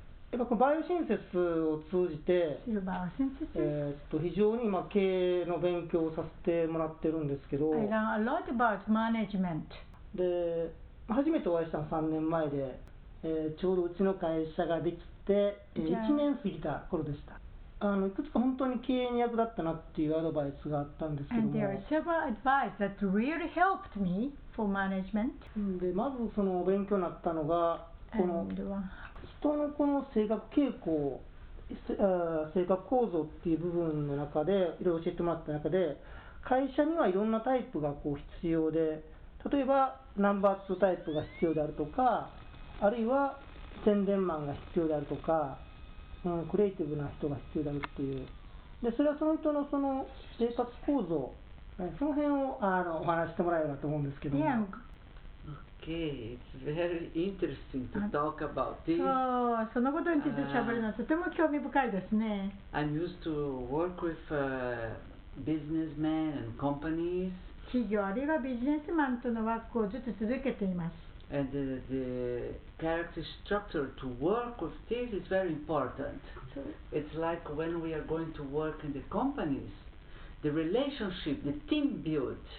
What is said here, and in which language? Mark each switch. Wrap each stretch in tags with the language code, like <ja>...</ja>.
<ja>やっぱこのバイオシンセスを通じて、非常に経営の勉強をさせてもらってるんですけど、</ja> <en>I learned a lot about management.</en> <ja>で、初めてお会いしたの3年前で、ちょうどうちの会社ができて、1年過ぎた頃でした。いくつか本当に経営に役立ったなっていうアドバイスがあったんですけども、</ja> <en>And there are several advice that really helped me for management.</en> <ja>で、まずその勉強になったのが、この人のこの性格傾向、性格構造っていう部分の中でいろいろ教えてもらった中で、会社にはいろんなタイプがこう必要で、例えばナンバー2タイプが必要であるとか、あるいは宣伝マンが必要であるとか、クリエイティブな人が必要であるっていう、でそれはその人のその性格構造、その辺をお話してもらえればと思うんですけども。</ja> <en>Okay, it's very interesting to talk about this.</en> <ja>そう、そのことについて喋るのはとても興味深いですね。</ja> <en>I'm used to work with businessmen and companies.</en> <ja>企業あるいはビジネスマンとのワークをずっと続けています。</ja> <en>And the character structure to work with this is very important. It's like when we are going to work in the companies, the relationship, the team build.</en>